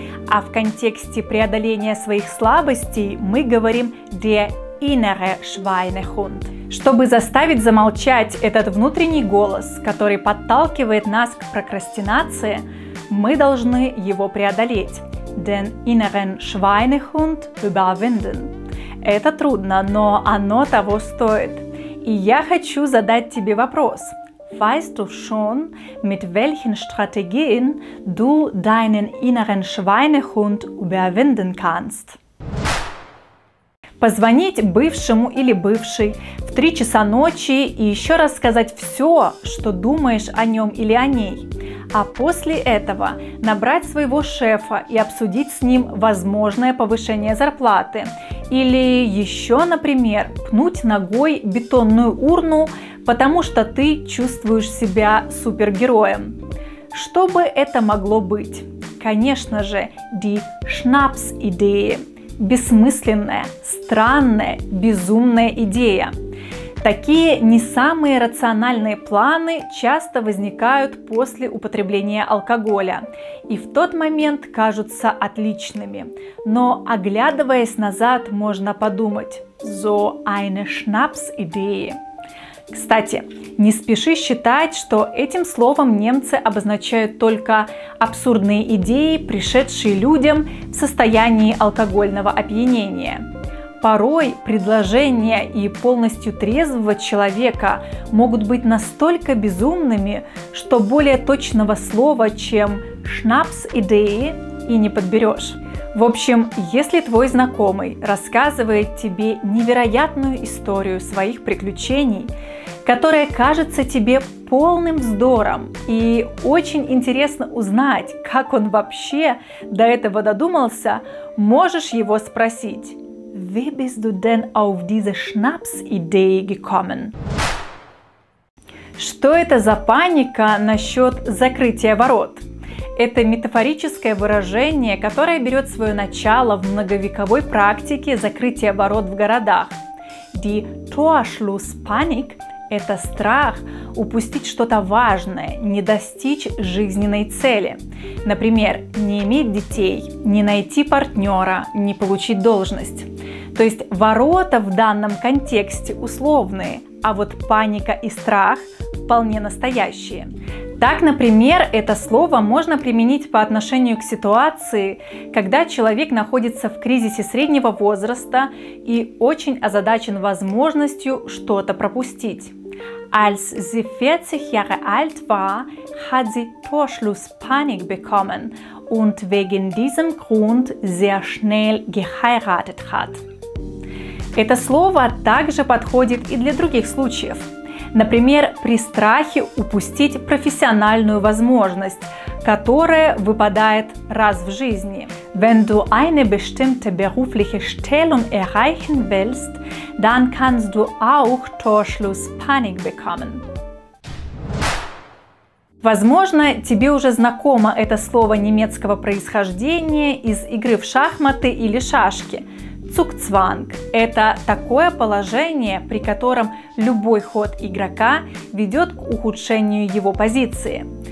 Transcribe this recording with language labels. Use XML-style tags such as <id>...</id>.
<ru>А в контексте преодоления своих слабостей мы говорим</ru> <de>«der innere Schweinehund».</de> <ru>Чтобы заставить замолчать этот внутренний голос, который подталкивает нас к прокрастинации, мы должны его преодолеть.</ru> <de>Den inneren Schweinehund überwinden.</de> <ru>Это трудно, но оно того стоит. И я хочу задать тебе вопрос.</ru> <de>Weißt du schon, mit welchen Strategien du deinen inneren Schweinehund überwinden kannst?</de> <ru>Позвонить бывшему или бывшей в 3 часа ночи и еще раз сказать все, что думаешь о нем или о ней. А после этого набрать своего шефа и обсудить с ним возможное повышение зарплаты. Или еще, например, пнуть ногой бетонную урну, потому что ты чувствуешь себя супергероем. Что бы это могло быть? Конечно же,</ru> <de>die Schnaps-идеи.</de> <ru>Бессмысленная, странная, безумная идея. Такие не самые рациональные планы часто возникают после употребления алкоголя и в тот момент кажутся отличными. Но оглядываясь назад, можно подумать</ru> <de>«so eine Schnaps-идеи».</de> <ru>Кстати, не спеши считать, что этим словом немцы обозначают только абсурдные идеи, пришедшие людям в состоянии алкогольного опьянения. Порой предложения и полностью трезвого человека могут быть настолько безумными, что более точного слова, чем «шнапс-идеи», и не подберешь. В общем, если твой знакомый рассказывает тебе невероятную историю своих приключений, которая кажется тебе полным вздором, и очень интересно узнать, как он вообще до этого додумался, можешь его спросить.</ru> <de>Wie bist du denn auf diese Schnaps-Idee gekommen?</de> <ru>Что это за паника насчет закрытия ворот? Это метафорическое выражение, которое берет свое начало в многовековой практике закрытия ворот в городах. Die Torschlusspanik – это страх упустить что-то важное, не достичь жизненной цели. Например, не иметь детей, не найти партнера, не получить должность. То есть ворота в данном контексте условные, а вот паника и страх вполне настоящие. Так, например, это слово можно применить по отношению к ситуации, когда человек находится в кризисе среднего возраста и очень озадачен возможностью что-то пропустить.</ru> <de>Als sie 40 Jahre alt war, hat sie Torschlusspanik bekommen und wegen diesem Grund sehr schnell geheiratet hat.</de> <ru>Это слово также подходит и для других случаев. Например, при страхе упустить профессиональную возможность, которая выпадает раз в жизни.</ru> <de>Wenn du eine bestimmte berufliche Stellung erreichen willst, dann kannst du auch Torschlusspanik bekommen.</de> <ru>Возможно, тебе уже знакомо это слово немецкого происхождения из игры в шахматы или шашки. Цугцванг – это такое положение, при котором любой ход игрока ведет к ухудшению его позиции.</ru>